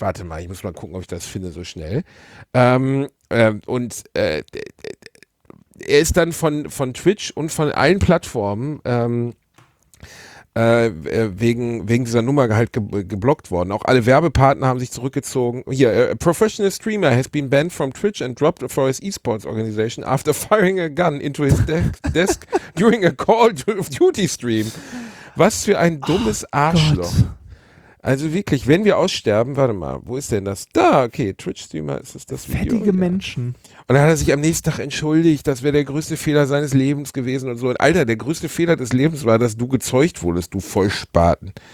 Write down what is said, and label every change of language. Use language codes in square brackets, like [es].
[de] Warte mal, ich muss mal gucken, ob ich das finde so schnell. Er ist dann von Twitch und von allen Plattformen wegen dieser Nummer halt geblockt worden. Auch alle Werbepartner haben sich zurückgezogen. [en] Hier, a professional streamer has been banned from Twitch and dropped for his esports organization after firing a gun into his desk during a Call of Duty stream. [de] Was für ein dummes Arschloch. Gott. Also wirklich, wenn wir aussterben, warte mal, wo ist denn das? Da, okay, Twitch-Streamer ist das Video. Fettige Menschen. Und dann hat er sich am nächsten Tag entschuldigt, das wäre der größte Fehler seines Lebens gewesen und so. Und Alter, der größte Fehler des Lebens war, dass du gezeugt wurdest, du Vollspaten.